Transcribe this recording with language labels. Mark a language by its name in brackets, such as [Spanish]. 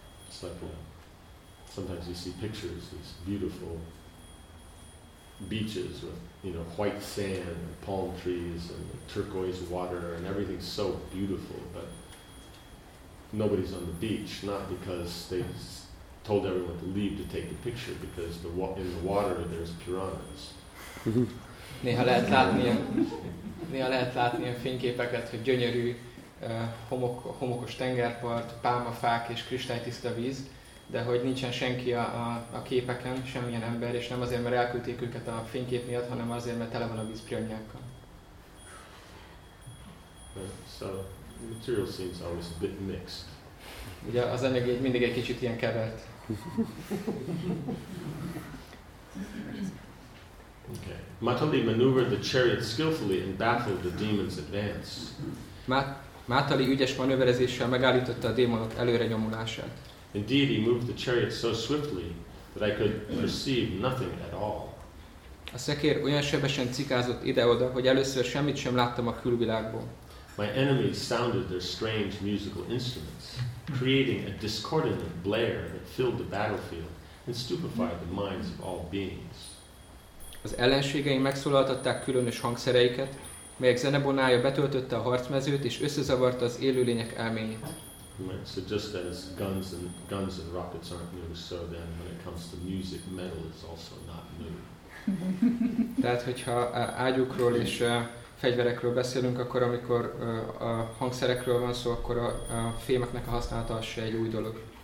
[English] It's like when sometimes you see pictures, these beautiful beaches with, you know, white sand and palm trees and the turquoise water and everything's so beautiful, but nobody's on the beach, not because they told everyone to leave to take the picture, because the in the water there's piranhas. [Hungarian] Néha lehet látni a fényképeket, hogy gyönyörű homokos tengerpart, pálmafák és kristálytiszta víz, de hogy nincsen senki a képeken, semmilyen ember, és nem azért, mert elküldték őket a fénykép miatt, hanem azért, mert tele van a víz piranyákkal. [English] So, the material seems always a bit mixed. [Hungarian] Ugye az anyag mindig egy kicsit ilyen kevert. [English] Okay. Mathali maneuvered the chariot skillfully and baffled the demon's advance. [Hungarian] Mátali ügyes manőverezéssel megállította a démonok előrenyomulását. [English] Indeed, he moved the chariot so swiftly that I could perceive nothing at all. [Hungarian] A szekér olyan sebesen cikázott ide-oda, hogy először semmit sem láttam a külvilágból. [English] My enemies sounded their strange musical instruments, creating a discordant blare that filled the battlefield and stupefied the minds of all beings. [Hungarian] Az ellenségeim megszólaltatták különös hangszereiket, melyek zenebonája betöltötte a harcmezőt és összezavarta az élőlények elméjét. [English] So just as guns and rockets aren't new, so then when it comes to music, metal is also not new. [Hungarian] Tehát, hogyha ágyukról és fegyverekről beszélünk, akkor amikor a hangszerekről van szó, akkor a fémeknek a használata az se egy új dolog.